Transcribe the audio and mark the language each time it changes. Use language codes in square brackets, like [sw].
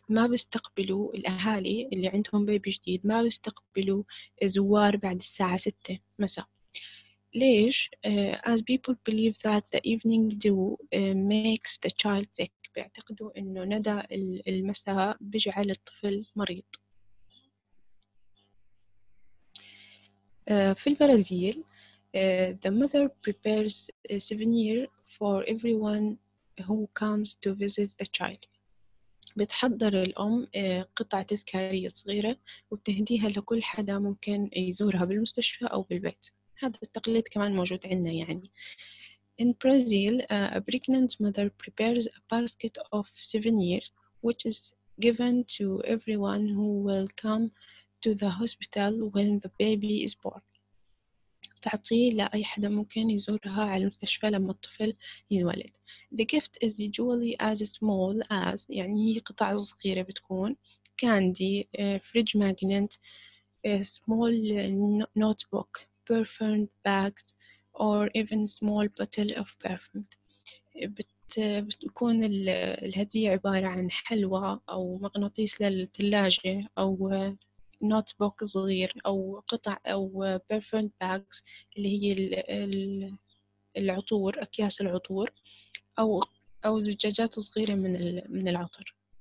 [ar] ما بيستقبلوا الأهالي اللي عندهم بيبي جديد, ما بيستقبلوا زوار بعد الساعة 6 مساء. ليش؟ [en] As people believe that the evening dew makes the child sick. [ar] بيعتقدوا إنه ندى المساء بيجعل الطفل مريض. في البرازيل, [en] the mother prepares a souvenir for everyone who comes to visit the child. [ar] بتحضر الأم قطعة تذكارية صغيرة وبتهديها لكل حدا ممكن يزورها بالمستشفى أو بالبيت. هذا التقليد كمان موجود عندنا يعني. [en] In Brazil, a pregnant mother prepares a basket of souvenirs, which is given to everyone who will come to the hospital when the baby is born. [ar] تعطي لأي حدا ممكن يزورها على المستشفى لما الطفل ينولد. [en] The gift is usually as small as, [ar] يعني هي قطع صغيرة بتكون, [en] candy, fridge magnet, small notebook, perfume bags, or even small bottle of perfume. [ar] بتكون الهدية عبارة عن حلوى أو مغناطيس للثلاجة أو نوت بوك صغير أو قطع أو [en] perfume bags [ar] اللي هي العطور, أكياس العطور أو زجاجات صغيرة من العطر.